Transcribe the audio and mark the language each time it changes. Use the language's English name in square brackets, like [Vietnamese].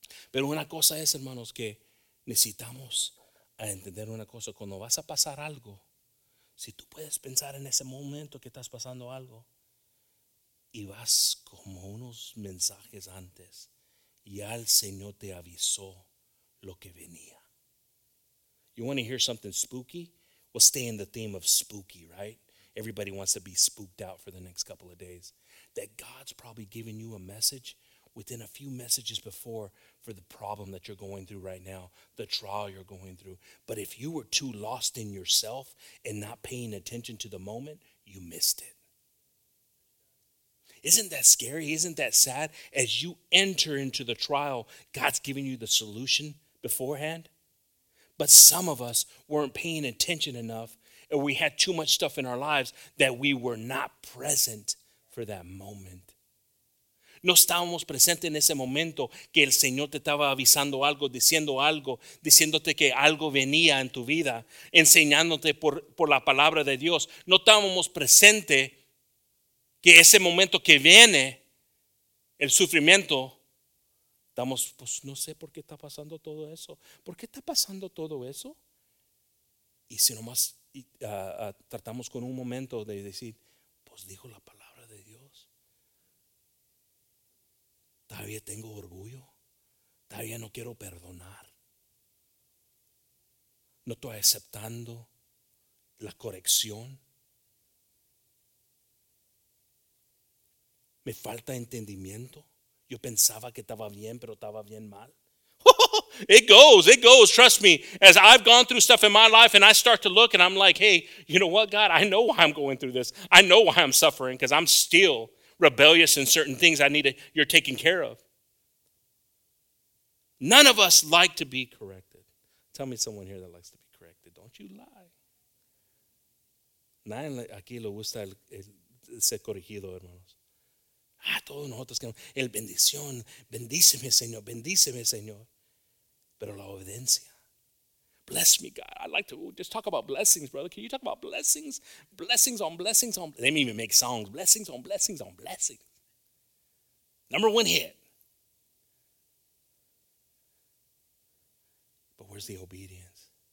[Spanish] Pero una cosa es, hermanos, que necesitamos entender una cosa. Cuando vas a pasar algo, si tú puedes pensar en ese momento que estás pasando algo y vas como unos mensajes antes, ya el Señor te avisó lo que venía. [English] You want to hear something spooky? We'll stay in the theme of spooky, right? Everybody wants to be spooked out for the next couple of days. That God's probably giving you a message within a few messages before for the problem that you're going through right now, the trial you're going through. But if you were too lost in yourself and not paying attention to the moment, you missed it. Isn't that scary? Isn't that sad? As you enter into the trial, God's giving you the solution beforehand. But some of us weren't paying attention enough, and we had too much stuff in our lives that we were not present for that moment. [Spanish] No estábamos presentes en ese momento que el Señor te estaba avisando algo, diciendo algo, diciéndote que algo venía en tu vida, enseñándote por la palabra de Dios. No estábamos presentes que ese momento que viene, el sufrimiento, damos, pues no sé por qué está pasando todo eso. ¿Por qué está pasando todo eso? Y si nomás tratamos con un momento de decir, pues dijo la palabra de Dios. Todavía tengo orgullo. Todavía no quiero perdonar. No estoy aceptando la corrección. Me falta entendimiento. Yo pensaba que estaba bien, pero estaba bien mal. [English] It goes. Trust me. As I've gone through stuff in my life and I start to look and I'm like, hey, you know what, God? I know why I'm going through this. I know why I'm suffering because I'm still rebellious in certain things you're taking care of. None of us like to be corrected. Tell me someone here that likes to be corrected. Don't you lie. [Spanish] Nadie aquí le gusta ser corregido, hermanos. A todos nosotros, el bendición, bendíceme Señor, pero la obediencia, [English] bless me God, I'd like to just talk about blessings, brother, can you talk about blessings, blessings on blessings on, they may even make songs, blessings on blessings on blessings, Number one hit. But where's the obedience?